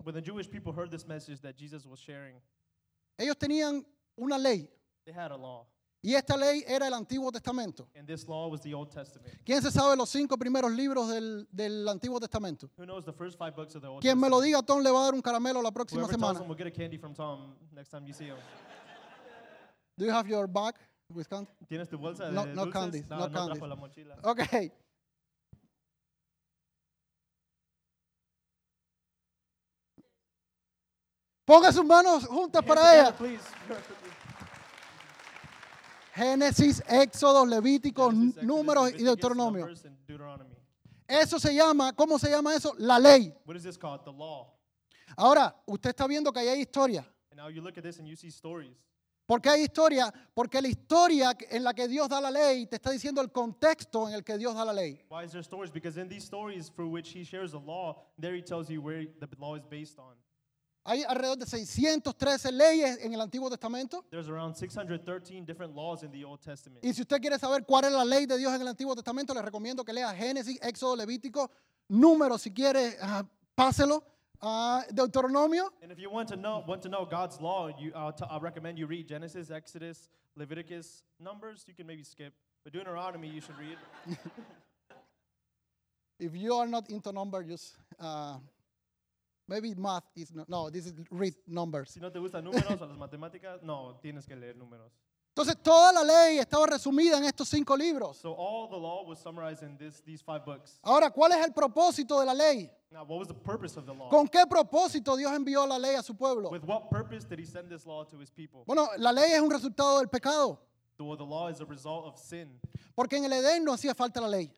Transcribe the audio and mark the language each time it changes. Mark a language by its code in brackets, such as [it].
[en] when the Jewish people heard this message that Jesus was sharing, [es] ellos tenían una ley. [en] They had a law. [es] Y esta ley era el Antiguo Testamento. [en] And this law was the Old Testament. [es] ¿Quién se sabe los cinco primeros libros del Antiguo Testamento? [en] Who knows the first five books of the Old [es] ¿Quién [en] Testament? [es] Me lo diga, Tom le va a dar un caramelo la próxima semana. [en] Whoever tells him will get a candy from Tom next time you see him. Do you have your bag with candy? [es] ¿Tienes tu bolsa no, de no luces? [en] Candies, no, no candies. [es] Trajo la mochila. [en] Okay. [es] Ponga sus manos juntas [en] hand [es] para [en] together, [es] ella. [en] Please. [es] Génesis, Éxodo, Levítico, Números y Deuteronomio. Eso se llama, ¿cómo se llama eso? La ley. [en] What is this called? The law. [es] Ahora, usted está viendo que ahí hay historia. [en] And now you look at this and you see stories. [es] ¿Por qué hay historia? Porque la historia en la que Dios da la ley te está diciendo el contexto en el que Dios da la ley. [en] Why is there stories? Because in these stories through which he shares the law, there he tells you where the law is based on. [es] Hay alrededor de 613 leyes en el Antiguo Testamento. [en] There's around 613 different laws in the Old Testament. [es] Y si usted quiere saber cuál es la ley de Dios en el Antiguo Testamento, le recomiendo que lea Génesis, Éxodo, Levítico, Números, si quiere, páselo. Deuteronomio. [en] And if you want to know God's law, I recommend you read Genesis, Exodus, Leviticus, Numbers. You can maybe skip, but Deuteronomy you should read. If you are not into numbers, maybe math is not. No, this is read numbers. [es] Si no te gustan números o las matemáticas, no, tienes que leer números. Entonces toda la ley estaba resumida en estos cinco libros. [en] So all the law was summarized in these five books. [es] Ahora, ¿cuál es el propósito de la ley? [en] Now, what was the purpose of the law? [es] ¿Con qué propósito Dios envió la ley a su pueblo? [en] With what purpose did he send this law to his people? [es] Bueno, la ley es un resultado del pecado. [en] The law is a result of sin. [es] Porque en el Edén no hacía falta la ley.